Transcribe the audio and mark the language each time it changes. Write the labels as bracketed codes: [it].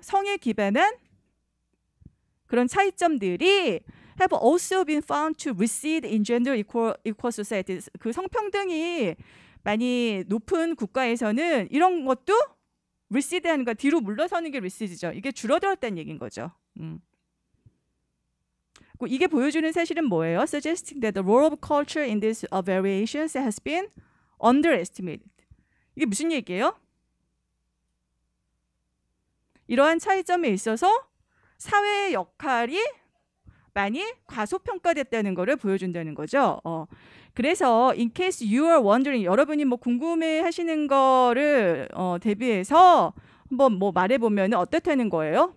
[ko] 성에 기반한 그런 차이점들이 [en] have also been found to recede in gender equal society. [ko] 그 성평등이 많이 높은 국가에서는 이런 것도 recede하는 거 뒤로 물러서는 게 recede죠. 이게 줄어들었다는 얘기인 거죠. 이게 보여주는 사실은 뭐예요? [en] Suggesting that the role of culture in these variations has been underestimated. [ko] 이게 무슨 얘기예요? 이러한 차이점에 있어서 사회의 역할이 많이 과소평가됐다는 것을 보여준다는 거죠. 그래서 [en] in case you are wondering, [ko] 여러분이 뭐 궁금해하시는 거를 대비해서 한번 뭐 말해보면 어떻다는 거예요?